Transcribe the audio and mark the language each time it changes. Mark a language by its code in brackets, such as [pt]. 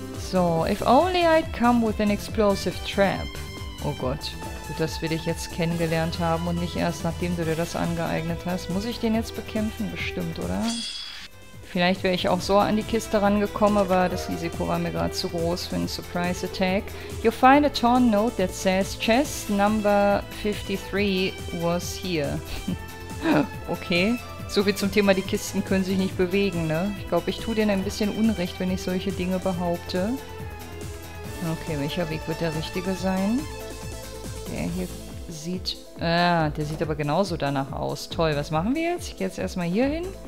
[en] So, if only I'd come with an explosive trap. [de] Oh Gott. Gut, dass wir dich jetzt kennengelernt haben und nicht erst, nachdem du dir das angeeignet hast. Muss ich den jetzt bekämpfen? Bestimmt, oder? Vielleicht wäre ich auch so an die Kiste rangekommen, aber das Risiko war mir gerade zu groß für einen [en] Surprise Attack. You find a torn note that says chest number 53 was here. Okay. [de] So viel zum Thema, die Kisten können sich nicht bewegen, ne? Ich glaube, ich tue denen ein bisschen Unrecht, wenn ich solche Dinge behaupte. Okay, welcher Weg wird der richtige sein? Der hier sieht... der sieht aber genauso danach aus. Toll, was machen wir jetzt? Ich gehe jetzt erstmal hier hin.